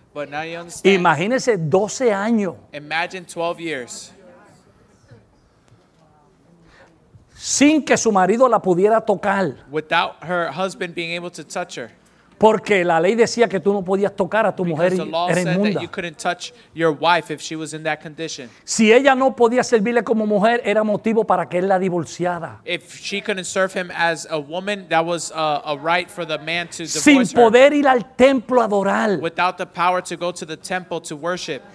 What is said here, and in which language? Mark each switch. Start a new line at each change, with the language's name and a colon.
English: But now you understand.
Spanish: Imagínese 12 años.
English: Imagine 12 years.
Spanish: Sin que su marido la pudiera tocar.
English: Without her husband being able to touch her.
Spanish: Porque la ley decía que tú no podías tocar a tu mujer era inmunda.
English: You couldn't touch your wife if she was in that condition.
Spanish: Si ella no podía servirle como mujer, era motivo para que él la divorciara.
English: If she couldn't serve him as a woman, that was a right for the man to divorce her.
Spanish: Sin poder ir al templo a adorar.
English: Without the power to go to the temple to worship.